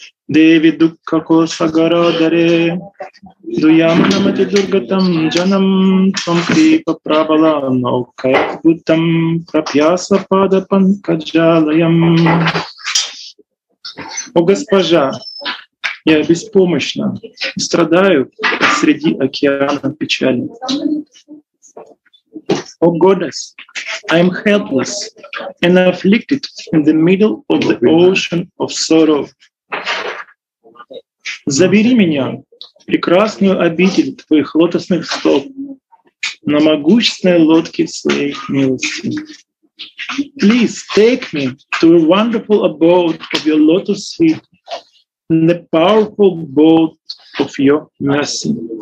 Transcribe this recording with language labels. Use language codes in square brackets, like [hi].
[sa] Devi dukkha kosagara dare duyam namati durgatam janam tvam kripa prabala naukhayakbhutam prapyasa pada pankajalayam. [ru] О госпожа, я беспомощно страдаю среди океана печали. [en] О goddess, I am helpless and afflicted in the middle of the ocean of sorrow. [ru] Забери меня в прекрасную обитель твоих лотосных стоп на могущественной лодке своей милости. [en] Please take me to a wonderful abode of your lotus feet and the powerful boat of your mercy.